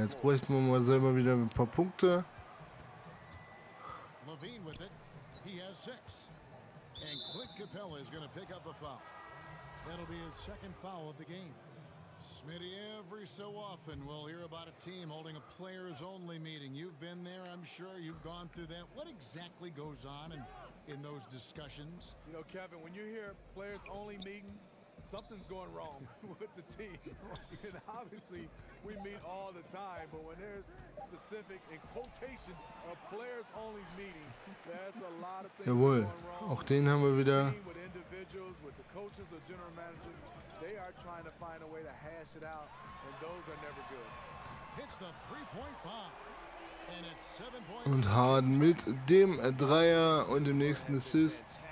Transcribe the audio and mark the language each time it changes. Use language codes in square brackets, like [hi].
[de] Jetzt bräuchten wir mal selber wieder ein paar Punkte. [en] Levine with it. He has six. And Clint Capella is going to pick up a foul. That'll be his second foul of the game. Smitty, every so often we'll hear about a team holding a players-only meeting. You've been there, I'm sure. You've gone through that. What exactly goes on in those discussions? You know, Kevin, when you hear players-only meeting, something's going wrong with the team. Right. And obviously, we meet all the time, but when there's specific, in quotation, a players-only meeting, there's a lot of things [de] Jawohl. [en] Going wrong. [de] Auch den haben wir wieder. [en] With individuals, with the coaches or general managers, they are trying to find a way to hash it out, and those are never good. Hits the three-point bomb. And it's 7 points. [de] Und Harden mit dem Dreier und dem nächsten Assist.